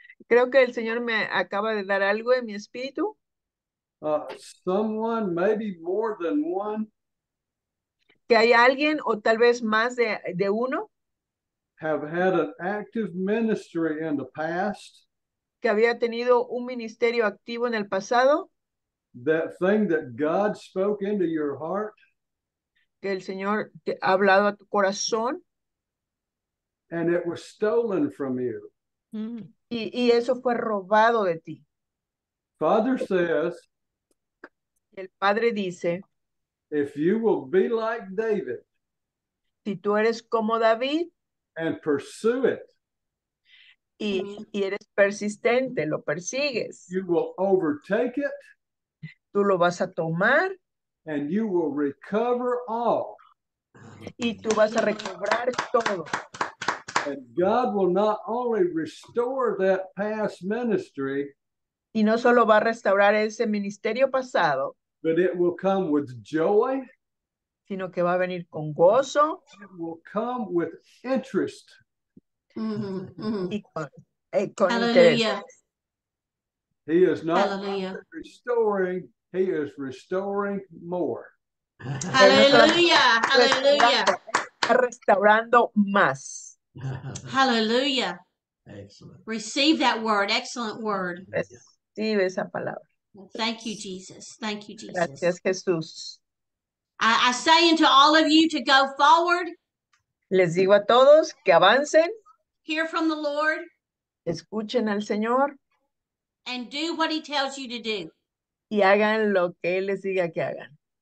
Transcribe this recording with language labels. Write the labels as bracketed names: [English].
[Spanish] Creo que el Señor me acaba de dar algo en mi espíritu. [English] Someone, maybe more than one. [Spanish] Que hay alguien o tal vez más de uno. [English] Have had an active ministry in the past. [Spanish] Que había tenido un ministerio activo en el pasado. [English] That thing that God spoke into your heart. [Spanish] Que el Señor te ha hablado a tu corazón. [English] And it was stolen from you. [Spanish] Y eso fue robado de ti. [English] Father says. [Spanish] El Padre dice. [English] If you will be like David. [Spanish] Si tú eres como David. [English] And pursue it. [Spanish] Y eres persistente, lo persigues. [English] You will overtake it. [Spanish] Tú lo vas a tomar. [English] And you will recover all. [Spanish] Y tú vas a recobrar todo. [English] And God will not only restore that past ministry. [Spanish] Y no solo va a restaurar ese ministerio pasado. [English] But it will come with joy. [Spanish] Sino que va a venir con gozo. [English] It will come with interest. [Spanish] Mm-hmm. Y con [English] hallelujah. He is not restoring. He is restoring more. Hallelujah. Hallelujah. [Spanish] Restaurando más. [English] Hallelujah. Excellent. Receive that word. Excellent word. [Spanish] Recibe esa palabra. [English] Thank you, Jesus. Thank you, Jesus. [Spanish] Gracias, Jesús. [English] I say unto all of you to go forward. [Spanish] Les digo a todos que avancen. [English] Hear from the Lord. [Spanish] Escuchen al Señor. [English] And do what he tells you to do. [Spanish] Y hagan lo que él les diga que hagan.